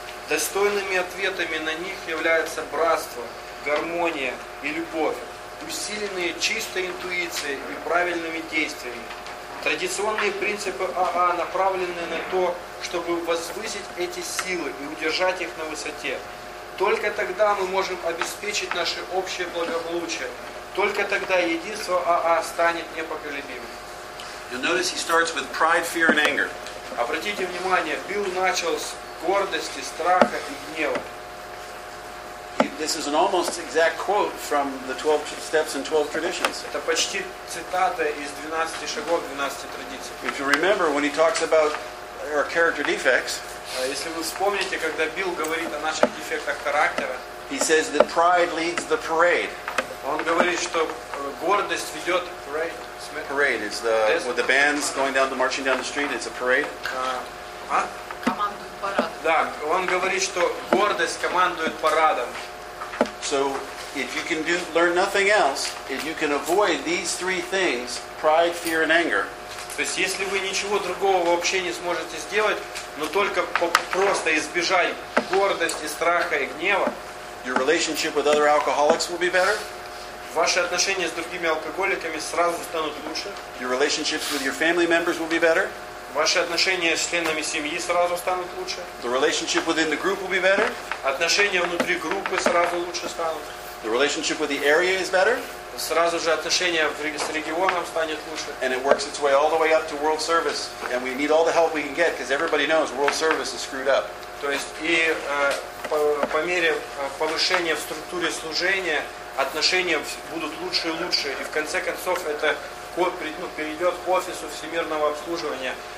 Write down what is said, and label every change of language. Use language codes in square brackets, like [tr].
[ru] Достойными ответами на них являются братство, гармония и любовь, усиленные чистой интуицией и правильными действиями. Традиционные принципы АА направлены на то, чтобы возвысить эти силы и удержать их на высоте. Только тогда мы можем обеспечить наше общее благополучие. Только тогда единство АА станет непоколебимым. [en] You'll notice he starts with pride, fear and anger. [ru] Обратите внимание, Билл начал с гордости, страха и гнева. [en] This is an almost exact quote from the 12 steps and 12 traditions. [ru] Это почти цитата из 12 шагов, 12 традиций. [en] If you remember when he talks about our character defects, [ru] Если вы вспомните, когда Билл говорит о наших дефектах характера, [en] he says that pride leads the parade. [ru] Он говорит, что гордость ведет parade. [en] Parade is the with the bands going down, the marching down the street. It's a parade. [ru] Командует парадом. Да, он говорит, что гордость командует парадом. [en] So if you can learn nothing else, if you can avoid these three things, pride, fear, and anger. [ru] То есть, если вы ничего другого вообще не сможете сделать, но только просто избежать гордости, страха и гнева, [en] your relationship with other alcoholics will be better. [ru] Ваши отношения с другими алкоголиками сразу станут лучше. [en] Your relationships with your family members will be better. [ru] Ваши отношения с членами семьи сразу станут лучше. [en] The relationship within the group will be better. [ru] Отношения внутри группы сразу лучше станут. [en] The relationship with the area is better. [ru] Сразу же отношения с регионом станет лучше. [en] And it works its way all the way up to World Service, and we need all the help we can get because everybody knows World Service is screwed up. [ru] То есть и по мере повышения в структуре служения отношения будут лучше и лучше, и в конце концов это перейдет к офису всемирного обслуживания.